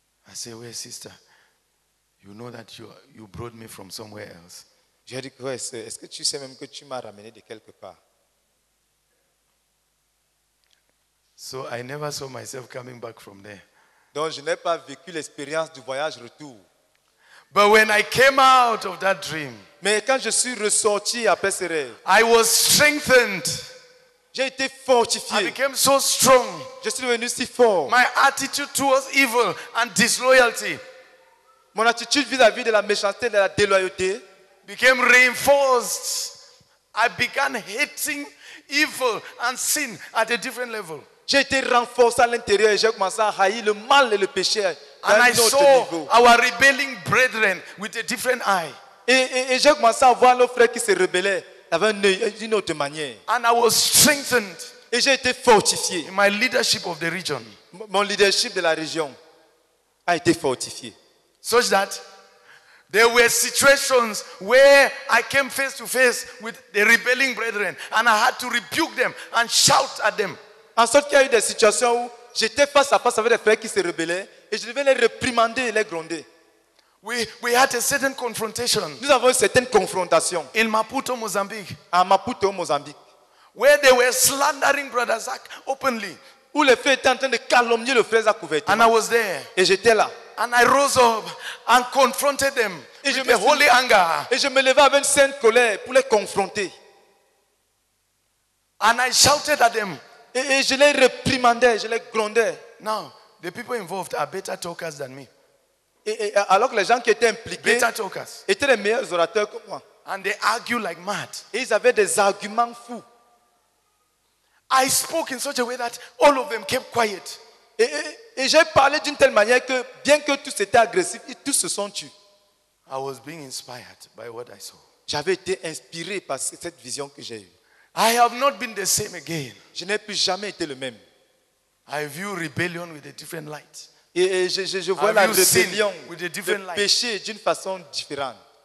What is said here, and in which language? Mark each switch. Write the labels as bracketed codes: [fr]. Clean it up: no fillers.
[en] I said, "Well, sister, you know that you brought me from somewhere else." [fr] J'ai dit, ouais, est-ce que tu sais même que tu m'as ramené de quelque part? [en] So I never saw myself coming back from there. [fr] Donc je n'ai pas vécu l'expérience du voyage retour. [en] But when I came out of that dream, [fr] mais quand je suis ressorti après ce rêve, [en] I was strengthened. [fr] J'ai été fortifié. [en] I became so strong. [fr] Je suis devenu si fort. [en] My attitude towards evil and disloyalty, [fr] mon attitude vis-à-vis de la méchanceté et de la déloyauté, [en] became reinforced. I began hating evil and sin at a different level. [fr] J'ai été renforcé à l'intérieur et j'ai commencé à haïr le mal et le péché. [en] And I saw our rebelling brethren with a different eye. [fr] Et j'ai commencé à voir nos frères qui se rebellaient avec une autre manière. [en] And I was strengthened. [fr] Et j'ai été fortifié. [en] In my leadership of the region. [fr] Mon leadership de la région a été fortifié. [en] Such that there were situations where I came face to face with the rebelling brethren and I had to rebuke them and shout at them. [fr] En sorte qu'il y a eu des situations où j'étais face à face avec des frères qui se rebellaient et je devais les réprimander et les gronder. [en] We had a certain confrontation. [fr] Nous avons une certaine confrontation. [en] In Maputo, Mozambique. [fr] À Maputo, Mozambique. [en] Where they were slandering Brother Zach openly. [fr] Où les frères étaient en train de calomnier le frère Zach ouvertement. [en] And I was there. [fr] Et j'étais là. [en] And I rose up and confronted them with the holy anger. [fr] Et je me levais avec une sainte colère pour les confronter. [en] And I shouted at them. [fr] Et je les réprimandais, je les grondais. [en] Now, the people involved are better talkers than me. [fr] Et alors que les gens qui étaient impliqués [en] better talkers. [fr] Étaient les meilleurs orateurs que moi. [en] And they argue like mad. [fr] Et ils avaient des arguments fous. [en] I spoke in such a way that all of them kept quiet. [fr] Et j'ai parlé d'une telle manière que bien que tous étaient agressifs, ils tous se sont tus. [en] I was being inspired by what I saw. [fr] J'avais été inspiré par cette vision que j'ai eue. [en] I have not been the same again. [fr] Je n'ai plus jamais été le même. [en] I view rebellion with a different light. [fr] Et je vois la rébellion, [en] with a different [fr] le péché d'une façon différente.